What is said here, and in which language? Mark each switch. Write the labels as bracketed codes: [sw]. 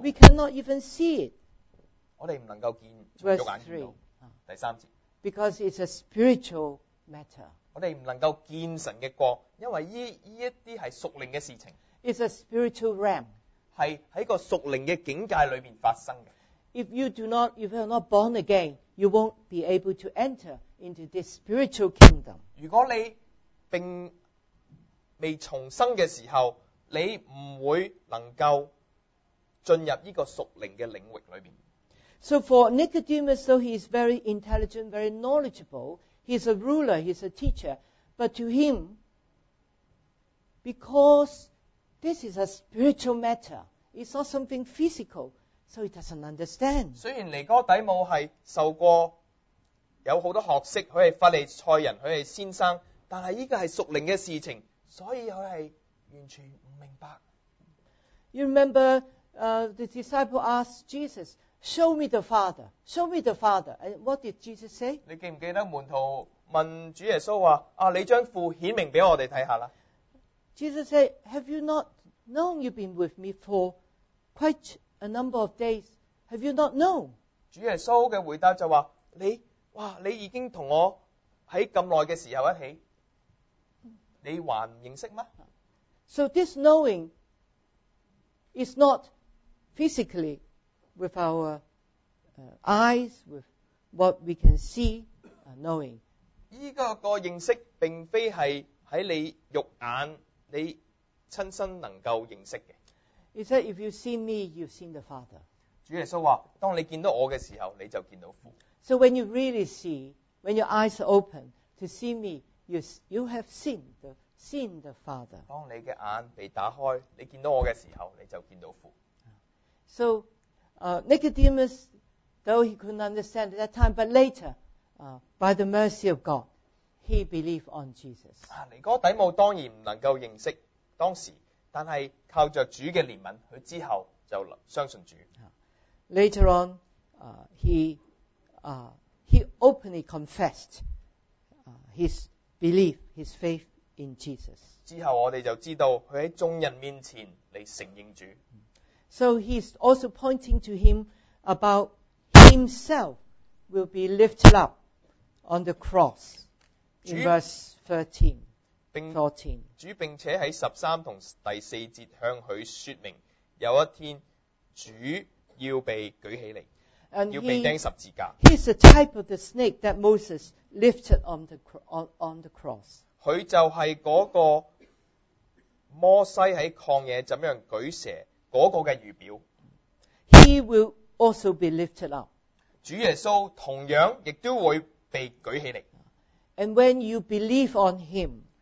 [en] We cannot even see it. [zh] 我们不能够见，从肉眼见到。第三节。 [en] Because it's a spiritual matter. [zh] 我们不能够见神的国，因为这些是属灵的事情。 [en] It's a spiritual realm. [zh] 是在一个属灵的境界里面发生的。 [en] If you do not, if you are not born again, you won't be able to enter into this spiritual kingdom. [zh] 如果你并未重生的时候，你不会能够进入这个属灵的领域里面。 [en] So for Nicodemus, though he is very intelligent, very knowledgeable, he is a ruler, he is a teacher, But to him, because this is a spiritual matter, it's not something physical, so he doesn't understand. [zh] 虽然尼哥底母是受过有很多学识，他是法利赛人，他是先生，但是这个是属灵的事情，所以他是完全不明白。 [en] You remember, the disciple asked Jesus, show me the Father, show me the Father. And what did Jesus say? [zh] 你记不记得门徒问主耶稣说，啊，你将父显明给我们看看。 [en] Jesus said, have you not known you've been with me for quite a number of days? Have you not known? [zh] 主耶稣的回答就说，你，哇，你已经跟我在这么久的时候一起，你还不认识吗？ [en] So this knowing,It's not physically with our eyes, with what we can see, knowing. [zh] 这个认识并非是在你肉眼你亲身能够认识的。 [en] He said, if you see me, you've seen the Father. [zh] 主耶稣说，当你见到我的时候，你就见到父。 [en] So when you really see, when your eyes are open to see me, you have seen the Father. Seen the Father. [zh] 当你的眼被打开，你见到我的时候，你就见到父。 [en] So, Nicodemus, though he couldn't understand at that time, but later, by the mercy of God, he believed on Jesus. [zh] 尼哥底母当然不能够认识当时，但是靠着主的怜悯，他之后就相信主。 [en] Later on, he openly confessed his belief, his faith. In Jesus. [zh] 之后我们就知道他在众人面前来承认主。 [en] So he's also pointing to him about himself will be lifted up on the cross in verse 13. [zh] 主并且在13和第四节向他说明有一天主要被举起来。 [en] And、 [zh] 要被钉十字架。 [en] He's the type of the snake that Moses lifted on the cross. [zh] 他就是那个摩西在旷野怎样举蛇那个的预表。 [en] He will also be lifted up. [zh] 主耶稣同样亦都会被举起来。 [en] And when you believe on him,